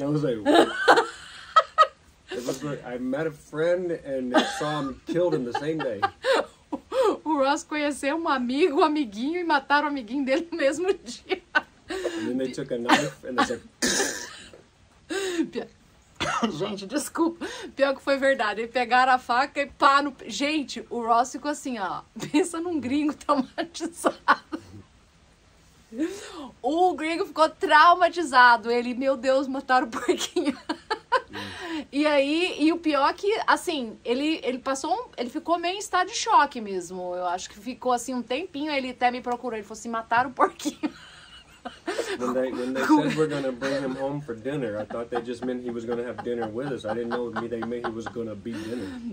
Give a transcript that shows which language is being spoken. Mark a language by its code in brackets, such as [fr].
[en] I was like, I met a friend and saw him killed in the same day. [pt] O Ross conheceu um amigo, um amiguinho e mataram o amiguinho dele no mesmo dia. [en] And then they took a knife and they said... [pt] Gente, desculpa. Pior que foi verdade. Eles pegaram a faca e pá no... Gente, o Ross ficou assim, ó. Pensa num gringo traumatizado. O gringo ficou traumatizado. Ele, meu Deus, mataram o porquinho. E aí, e o pior é que, assim, ele ficou meio em estado de choque mesmo. Eu acho que ficou assim um tempinho. Ele até me procurou. Ele falou assim: mataram o porquinho. [en] When they said we're gonna bring him home for dinner, I thought they just meant he was gonna have dinner with us. I didn't know they meant he was gonna be dinner.